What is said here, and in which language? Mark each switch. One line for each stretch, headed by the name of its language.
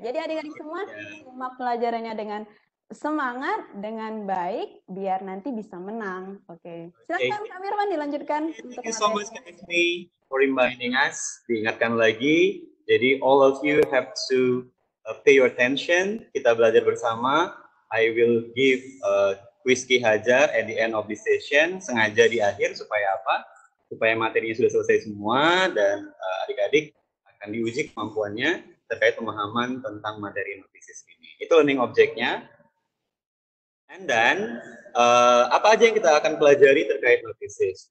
Indonesian: Jadi adik-adik semua, simak pelajarannya dengan semangat, dengan baik, biar nanti bisa menang. Oke. Silakan Kak Mirwan dilanjutkan.
English: Thank you so much, Kak Ismi, for reminding us.
Indonesian: Diingatkan lagi, jadi
English: all of you have to pay your attention.
Indonesian: Kita belajar bersama.
English: I will give a quiz Ki Hajar at the end of this session.
Indonesian: Sengaja di akhir supaya apa? Supaya materinya sudah selesai semua dan adik-adik akan diuji kemampuannya terkait pemahaman tentang materi notices ini. Itu learning objeknya.
English: And then,
Indonesian: apa aja yang kita akan pelajari terkait notices?